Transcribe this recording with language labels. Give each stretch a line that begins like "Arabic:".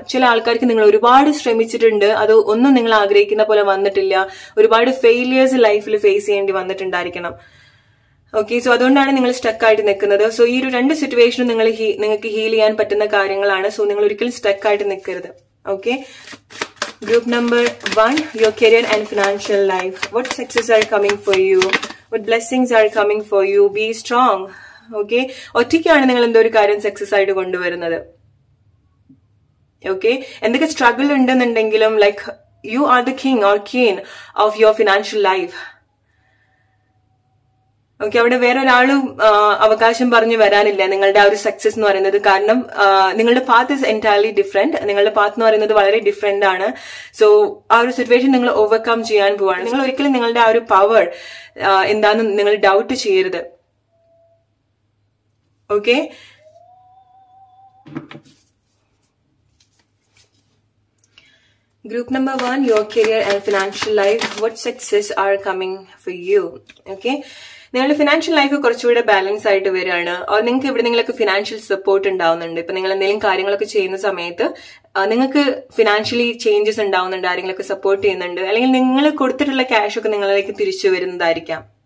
Malayalam: ചില ആൾക്കാർക്ക് നിങ്ങൾ ഒരുപാട് ശ്രമിച്ചിട്ടുണ്ട്, അത് ഒന്നും നിങ്ങൾ ആഗ്രഹിക്കുന്ന പോലെ വന്നിട്ടില്ല. ഒരുപാട് ഫെയിലിയേഴ്സ് ലൈഫിൽ ഫേസ് ചെയ്യേണ്ടി വന്നിട്ടുണ്ടായിരിക്കണം. ഓക്കെ, സോ അതുകൊണ്ടാണ് നിങ്ങൾ സ്റ്റക്കായിട്ട് നിൽക്കുന്നത്. സോ ഈ ഒരു രണ്ട് സിറ്റുവേഷനും നിങ്ങൾക്ക് ഹീൽ ചെയ്യാൻ പറ്റുന്ന കാര്യങ്ങളാണ്. സോ നിങ്ങൾ ഒരിക്കലും സ്റ്റക്കായിട്ട് നിൽക്കരുത്.
English: Okay, group number 1, your career and financial life. What successes are coming for you? What blessings are coming for you? Be strong.
Malayalam: Okay, ഒറ്റയ്ക്കാണ് നിങ്ങൾ എന്തോ ഒരു കാര്യം സക്സസ് ആയിട്ട് കൊണ്ടുവരുന്നത്. ഓക്കെ, എന്തൊക്കെ struggle ഉണ്ടെന്നുണ്ടെങ്കിലും,
English: Like you are the king or queen of your financial life.
Malayalam: Okay, അവിടെ വേറൊരാളും അവകാശം പറഞ്ഞു വരാനില്ല നിങ്ങളുടെ ആ ഒരു സക്സസ് എന്ന് പറയുന്നത്. കാരണം നിങ്ങളുടെ
English: path is entirely different,
Malayalam: നിങ്ങളുടെ പാത്ത് എന്ന് പറയുന്നത് വളരെ ഡിഫറെന്റ് ആണ്. സോ ആ ഒരു സിറ്റുവേഷൻ നിങ്ങൾ ഓവർകം ചെയ്യാൻ പോവാണ്. നിങ്ങൾ ഒരിക്കലും നിങ്ങളുടെ ആ ഒരു പവർ എന്താന്ന് നിങ്ങൾ ഡൗട്ട് ചെയ്യരുത്.
English: Okay, group number 1, your career and financial life. What successes are coming for you?
Malayalam: Okay, നിങ്ങളുടെ ഫിനാൻഷ്യൽ ലൈഫ് കുറച്ചുകൂടെ ബാലൻസ് ആയിട്ട് വരികയാണ്. നിങ്ങൾക്ക് ഇവിടെ നിങ്ങളൊക്കെ ഫിനാൻഷ്യൽ സപ്പോർട്ട് ഉണ്ടാവുന്നുണ്ട്. ഇപ്പൊ നിങ്ങൾ എന്തെങ്കിലും കാര്യങ്ങളൊക്കെ ചെയ്യുന്ന സമയത്ത് നിങ്ങൾക്ക് ഫിനാൻഷ്യലി ചേഞ്ചസ് ഉണ്ടാവുന്നുണ്ട്, ആരെങ്കിലൊക്കെ സപ്പോർട്ട് ചെയ്യുന്നുണ്ട്, അല്ലെങ്കിൽ നിങ്ങൾ കൊടുത്തിട്ടുള്ള ക്യാഷ് ഒക്കെ നിങ്ങളിലേക്ക് തിരിച്ചു വരുന്നതായിരിക്കാം.